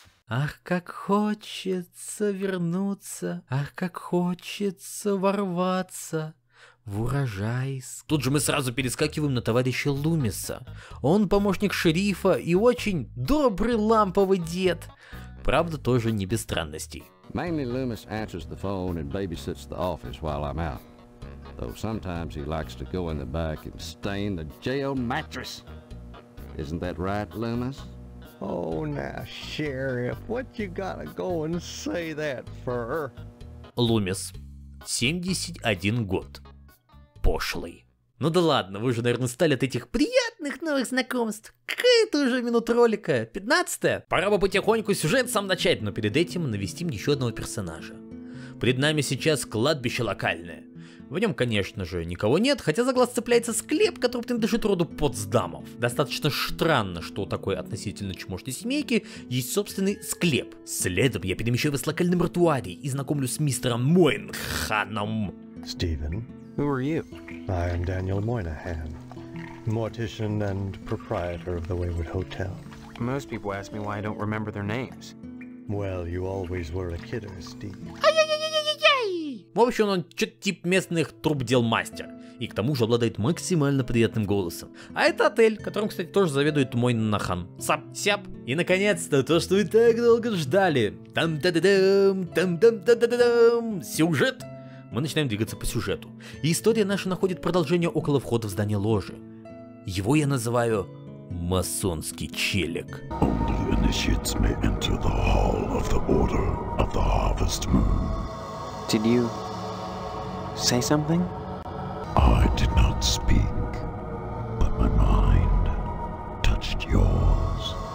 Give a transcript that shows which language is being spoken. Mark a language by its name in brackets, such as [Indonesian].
[Russian] Ах, как хочется вернуться, ах, как хочется ворваться в урожай. Тут же мы сразу перескакиваем на товарища Лумиса. Он помощник шерифа и очень добрый ламповый дед. Правда, тоже не без странностей. [English] Mainly Loomis answers the phone and babysits the office while I'm out. Though sometimes he likes to go in the back and stain the jail mattress. Isn't that right, Loomis? Oh, now, Sheriff, what you gotta go and say that for? [Russian] Loomis, 71 год. Пошлый. Ну да ладно, вы же, наверное, устали от этих приятных новых знакомств. Какая это уже минута ролика? 15-я? Пора бы потихоньку сюжет сам начать, но перед этим навестим еще одного персонажа. Перед нами сейчас кладбище локальное. В нем, конечно же, никого нет, хотя за глаз цепляется склеп, который принадлежит роду Потсдамов. Достаточно странно, что у такой относительно чумошной семейки есть собственный склеп. Следом я перемещаю вас в локальный мортуарий и знакомлюсь с мистером Мойнханом. Стивен? [English] Who are you? I am Daniel Moynihan, mortician and proprietor of the Wayward Hotel. Most people ask me why I don't remember their names. Well, you always were a kidder, Steve. [Russian] Ай-яй-яй-яй-яй-яй! В общем, он чё-то тип местных трубдел мастер. И к тому же обладает максимально приятным голосом. А это отель, которым, кстати, тоже заведует Мойнахан. Сап-сяп! И наконец-то то, что вы так долго ждали. Там-та-да-дам, там-там-та-да-дам. Сюжет! Мы начинаем двигаться по сюжету. И история наша находит продолжение около входа в здание ложи. Его я называю «Масонский челик». [English] Only initiates may enter the hall of the Order of the Harvest Moon. Did you say something? I did not speak, but my mind touched yours.